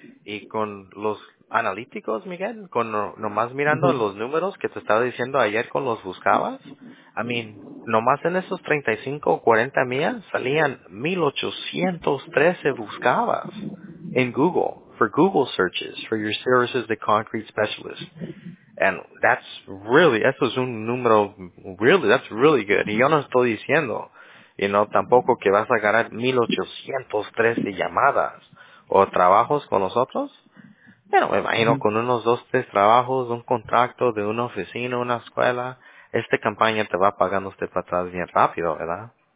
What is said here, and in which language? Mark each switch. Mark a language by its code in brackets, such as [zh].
[es] Y con los analíticos, Miguel, con nomás mirando los números que te estaba diciendo ayer con los buscabas, I mean, nomás en esos 35 o 40 millas salían 1,813 buscabas en Google, [en] for Google searches, for your services [es] de concrete specialist. [en] And that's really, [es] eso es un número, [en] really, that's really good. [es] Y yo no estoy diciendo... Y no tampoco que vas a ganar 1,813 llamadas o trabajos con nosotros. Pero me imagino con unos 2-3 trabajos, un contrato de una oficina, una escuela, esta campaña te va pagando usted para atrás bien rápido, ¿verdad?